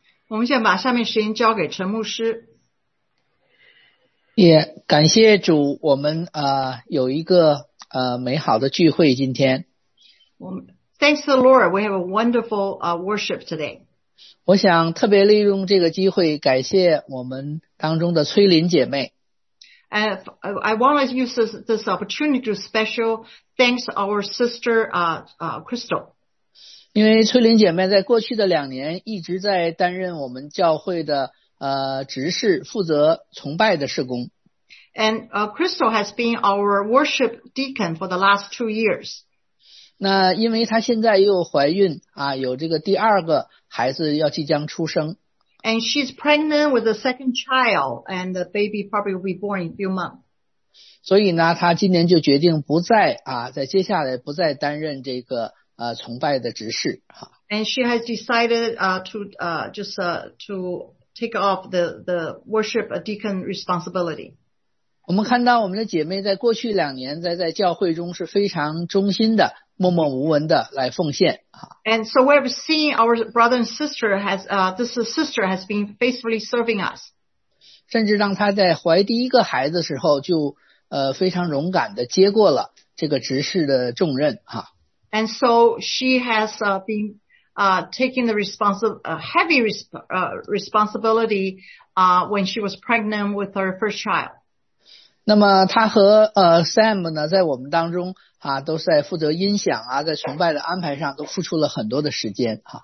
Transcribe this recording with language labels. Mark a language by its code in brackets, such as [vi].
[zh] 我们先把下面时间交给陈牧师。也感谢主，我们有一个美好的聚会今天。 [en] Thanks the Lord, we have a wonderful worship today. [zh] 我想特别利用这个机会感谢我们当中的崔琳姐妹。 [en] I want to use this opportunity to special thanks our sister, Crystal. [zh] 因为崔琳姐妹在过去的两年一直在担任我们教会的执事，负责崇拜的事工。 [en] And Crystal has been our worship deacon for the last 2 years. [zh] 那因为她现在又怀孕有这个第二个孩子要即将出生。 [en] And she's pregnant with a second child, and the baby probably will be born in a few months. [zh] 所以呢，她今年就决定不再在接下来不再担任这个崇拜的执事。 [en] And she has decided to take off the worship deacon responsibility. [zh] 我们看到我们的姐妹在过去两年在教会中是非常忠心的，默默无闻的来奉献。 [en] And so we have seen our brother and sister has, this sister has been faithfully serving us. [zh] 甚至让她在怀第一个孩子时候就非常勇敢地接过了这个执事的重任。 [en] And so she has been taking the heavy responsibility when she was pregnant with her first child. [zh] 那么她和Sam 呢在我们当中都是在负责音响啊在崇拜的安排上都付出了很多的时间。